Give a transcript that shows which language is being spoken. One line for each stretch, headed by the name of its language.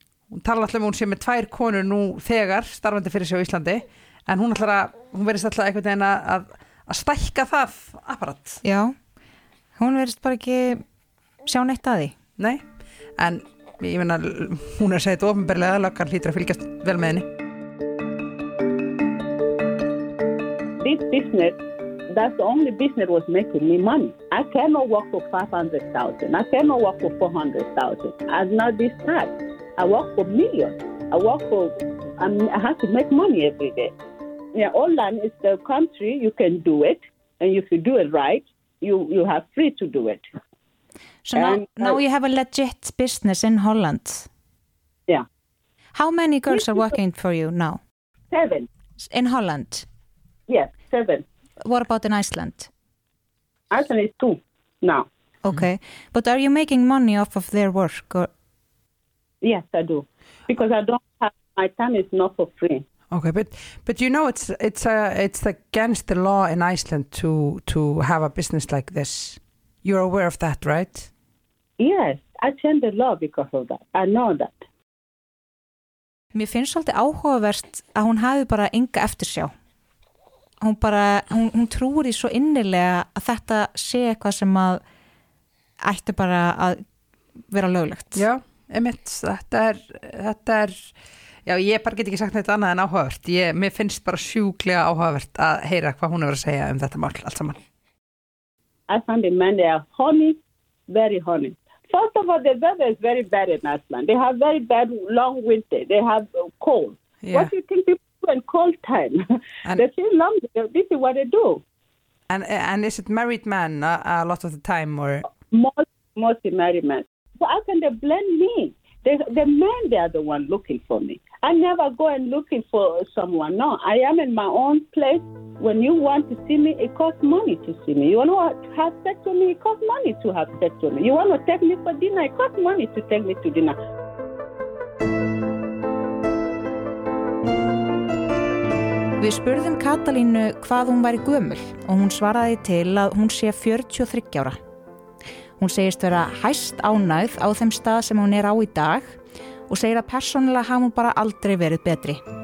Icelandic: Hún tala alltaf hún sé með tvær konur nú þegar starfandi fyrir sig á Íslandi en hún verðist alltaf einhvern veginn að stækka það apparat. Já, hún verðist bara ekki sjá neitt að því. Nei, en ég meina hún að segja þetta ofinberlega að löggan hlýtur að fylgjast vel með henni.
English: Business, that's the only business was making me money. I cannot work for 500,000. I cannot work for 400,000. I'm not this type. I work for millions. I have to make money every day. Yeah, Holland is the country you can do it. And if you do it right, you have free to do it. So now you have a legit business in Holland. Yeah. How many girls are working for you now? Seven. In Holland? Yes. Seven. What about in Iceland? Iceland is two now. Okay. Mm-hmm. But are you making money off of their work? Or? Yes, I do. Because I don't have, my time is not for free. Okay, but you know it's against the law in Iceland to have a business like this. You're aware of that, right? Yes, I changed the law because of that. I know that.
Icelandic: Mér finnst svolítið áhugavert að hún hafi bara enga eftirsjá. Hún bara hún trúir í svo innilega að þetta sé eitthvað sem að ætti bara að vera löglegt. Já, einmitt, þetta er Já, ég bara get ekki sagt neitt annað en áhugavert. Mér finnst bara sjúklega áhugavert að heyra hvað hún að segja þetta mál allt saman.
English: I find the men they are horny, very horny. First of all, the weather is very bad in Iceland. They have very bad long winter. They have cold. Yeah. What do you think people do in cold time? And, they feel lonely. This is what they do. And is it married men a lot of the time? Or? Mostly married men. So how can they blame me? The men, they are the one looking for me. I never go and looking for someone. No, I am in my own place. When you want to see me, it costs money to see me. You want to have sex with me, it costs money to have sex with me. You want to take me for dinner, it costs money to take me to dinner.
Icelandic: Við spurðum Katalínu hvað hún væri gömul og hún svaraði til að hún sé 43 ára. Hún segist vera hæst ánægð á þeim stað sem hún á í dag og segir að persónulega hafa hún bara aldrei verið betri.